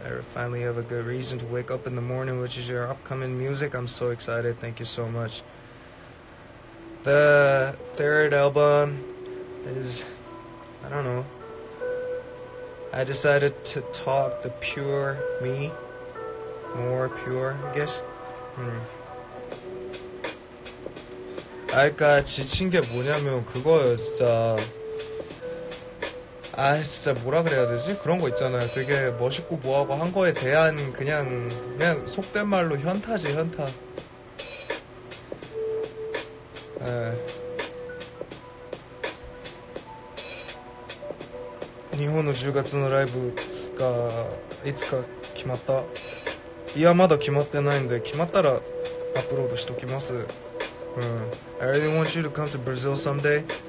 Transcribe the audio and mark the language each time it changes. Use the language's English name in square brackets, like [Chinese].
[English] I finally have a good reason to wake up in the morning, which is your upcoming music. I'm so excited. Thank you so much. The third album is, I don't know, I decided to talk the pure me, more pure, I guess. [Korean] 아까 지친 게 뭐냐면 그거예요, 진짜. 아, 진짜 뭐라 그래야 되지? 그런 거 있잖아요. 되게 멋있고 뭐하고 한 거에 대한 그냥 속된 말로 현타지, 현타. 에. 일본의 10월 [Japanese] のライブ いつか 決まった? いや、まだ決まってないんで 決まったら アップロードしときます. [English] I really want you to come to Brazil someday.